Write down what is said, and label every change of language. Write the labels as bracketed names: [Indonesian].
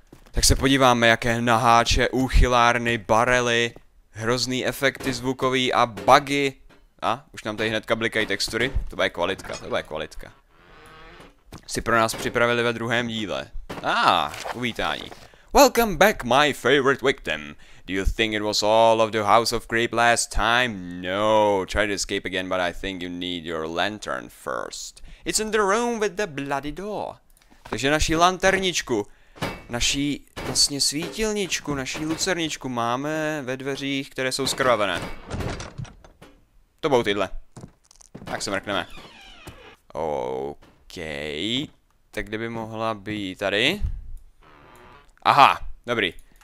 [Czech] Tak se podíváme, jaké naháče, úchylárny, barely, hrozný efekty zvukový a buggy. A, už nám tady hnedka blikají textury, to bude kvalitka. Si pro nás připravili ve druhém díle. Uvítání. [English] Welcome back, my favorite victim. Do you think it was all of the House of Creep last time? No, try to escape again, but I think you need your lantern first. It's in the room with the bloody door. [Czech] Takže naší lanterničku, naší vlastně svítilničku, naší lucerničku máme ve dveřích, které jsou skrvavené. To budou tyhle. Tak se mrkneme. Okej, tak kde by mohla být? Tady? Aha, dobrý.